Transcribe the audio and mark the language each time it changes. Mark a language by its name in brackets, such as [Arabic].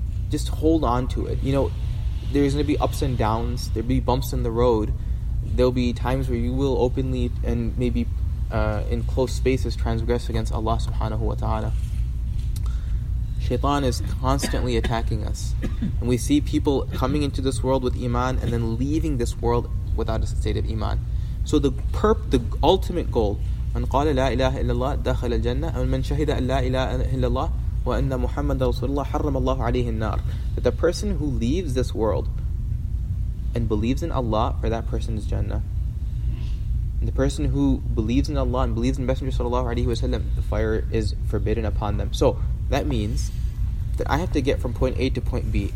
[English] Just hold on to it. You know, there's going to be ups and downs, there'll be bumps in the road, there'll be times where you will openly and maybe in close spaces transgress against Allah subhanahu wa ta'ala. Shaitan is constantly attacking us. And we see people coming into this world with iman and then leaving this world without a state of iman. So the ultimate goal, [Arabic] من قال لا إله إلا الله دخل الجنة ومن شهد أن لا إله إلا الله وأن محمد رسول الله حرم الله عليه النار. [English] That the person who leaves this world and believes in Allah, for that person is Jannah. And the person who believes in Allah and believes in Messenger sallallahu alayhi wa sallam, the fire is forbidden upon them. So that means that I have to get from point A to point B.